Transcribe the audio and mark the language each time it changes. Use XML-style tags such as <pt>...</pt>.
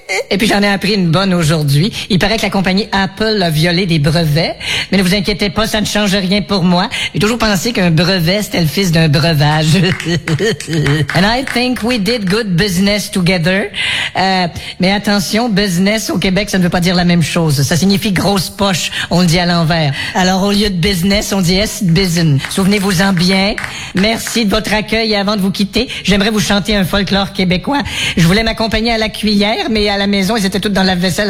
<fr>Et puis j'en ai appris une bonne aujourd'hui. Il paraît que la compagnie Apple a violé des brevets. Mais ne vous inquiétez pas, ça ne change rien pour moi. J'ai toujours pensé qu'un brevet, c'était le fils d'un breuvage.</fr> <en>And I think we did good business together.</en> <fr>Mais attention, business au Québec, ça ne veut pas dire la même chose. Ça signifie grosse poche, on le dit à l'envers. Alors au lieu de business, on dit S-business. Souvenez-vous-en bien. Merci de votre accueil et avant de vous quitter, j'aimerais vous chanter un folklore québécois. Je voulais m'accompagner à la cuillère, mais à la maison, ils étaient tous dans la vaisselle.</fr>